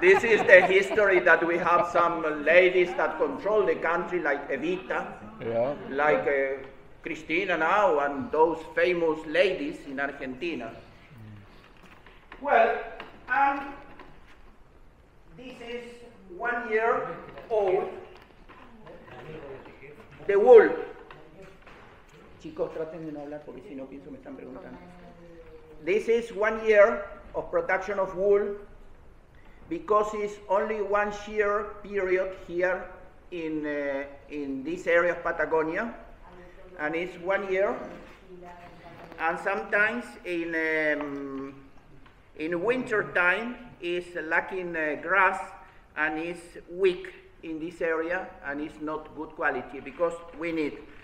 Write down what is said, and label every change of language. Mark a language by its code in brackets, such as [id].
[en] This is the history that we have some ladies that control the country, like Evita, like Cristina now, and those famous ladies in Argentina. Well, and this is 1 year old, the wool. [es] Chicos, traten de no hablar porque si no pienso me están preguntando. [en] This is 1 year of production of wool because it's only 1 year period here in this area of Patagonia, and it's 1 year. And sometimes in winter time it's lacking grass and it's weak in this area and it's not good quality because we need.